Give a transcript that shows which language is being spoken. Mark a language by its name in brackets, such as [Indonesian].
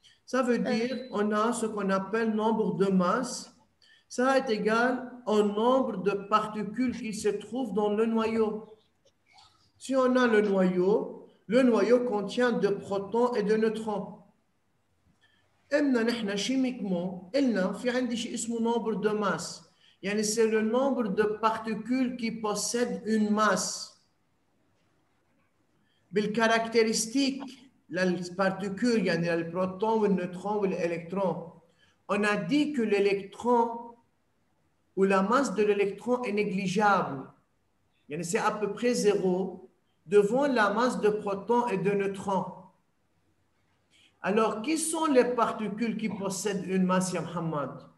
[French] Ça veut dire on a ce qu'on appelle nombre de masses. Ça est égal au nombre de particules qui se trouvent dans le noyau. Si on a le noyau contient deux protons et deux neutrons. [Arabic] قلنا نحن chimiquement, قلنا في عندي شيء اسمه nombre de masse. [French] يعني c'est le nombre de particules qui possèdent une masse. [Arabic] بالكاركتيرستيك للبارتيكول يعني للبروتون والنيوترون والالكترون. [French] On a dit que l'électron ou la masse de l'électron est négligeable. يعني c'est à peu près zéro devant la masse de protons et de neutrons. Alors, qui sont les particules qui possèdent une masse, ya Muhammad?